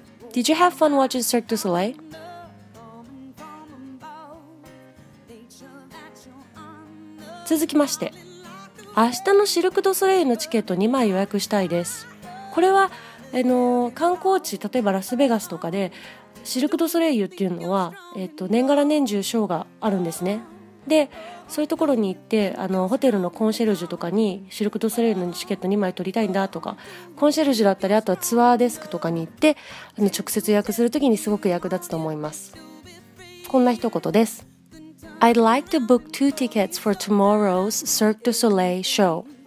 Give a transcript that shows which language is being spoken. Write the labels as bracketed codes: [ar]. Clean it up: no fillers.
[en] Did you have fun watching Cirque du Soleil? [ja] No, 続きまして、明日のシルク・ドゥ・ソレイユのチケット2枚予約したいです。これは、観光地、例えばラスベガスとかでシルク・ドゥ・ソレイユっていうのは、年がら年中ショーがあるんですね。で、そういうところに行って、ホテルのコンシェルジュとかにシルク・ドゥ・ソレイユのチケット2枚取りたいんだとか、コンシェルジュだったり、あとはツアーデスクとかに行って直接予約するときにすごく役立つと思います。こんな一言です。 [en] I'd like to book two tickets for tomorrow's Cirque du Soleil show。